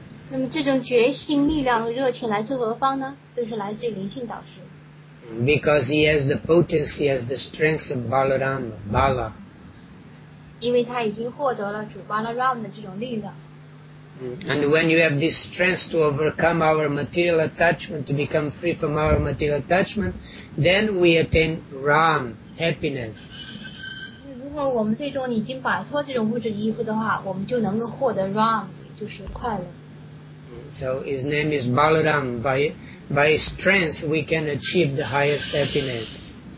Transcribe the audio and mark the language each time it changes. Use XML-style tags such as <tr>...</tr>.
<zh>那么这种决心、力量和热情来自何方呢？都是来自于灵性导师。</zh> <en>Because he has the potency, he has the strength of Balaram, Bala.</en> <zh>因为他已经获得了主 Balaram 的这种力量。</zh> <en>And when you have this strength to overcome our material attachment, to become free from our material attachment, then we attain Ram, happiness.</en> <zh>如果我们最终已经摆脱这种物质依附的话，我们就能够获得 Ram, 就是快乐。</zh> <en>So his name is Balaram. By his strength, we can achieve the highest happiness.</en>